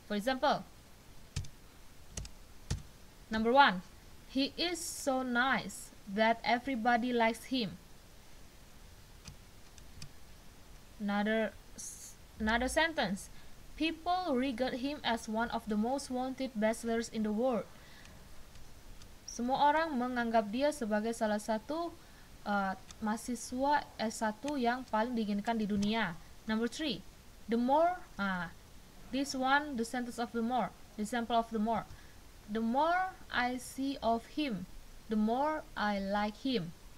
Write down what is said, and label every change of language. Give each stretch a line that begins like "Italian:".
English: For example, number one, he is so nice that everybody likes him. Another sentence. People regard him as one of the most wanted bachelors in the world.
Indonesian: Semua orang menganggap dia sebagai salah satu mahasiswa S1 yang paling diinginkan di dunia.
English: Number 3. The more This one, the sentence of the more, the sample of the more. The more I see of him, the more I like him.